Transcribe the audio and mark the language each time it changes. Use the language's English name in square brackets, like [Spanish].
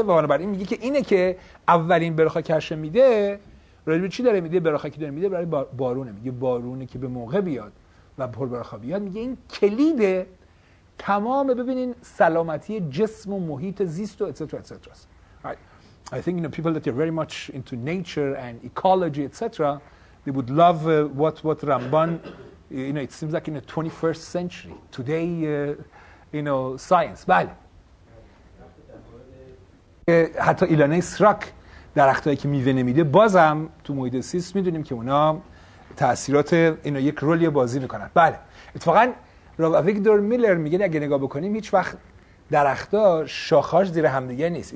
[Persian] و بنابراین میگه که اینه که اولین برخا کش میده، راجب چی داره میده؟ برخا کی داره میده؟ برای بارونه. میگه بارونه که به موقع بیاد و پر برخا بیاد، میگه این کلید تمام، ببینین، سلامتی جسم و محیط زیست و etc etc. [English] I think you know people that are very much into nature and ecology etc. They would love what Ramban. You know, it seems like in the 21st century today, you know, science. [Persian] بله. حتی ایلانه سراک، درختایی که میوه نمیده، بازم تو محیط زیست میدونیم که اونا تاثیرات اینا یک رولی بازی میکنن. بله. اتفاقا راو ویکتور میلر میگه اگه نگاه بکنیم هیچ وقت درختا شاخهاش زیر همدیگه نیست.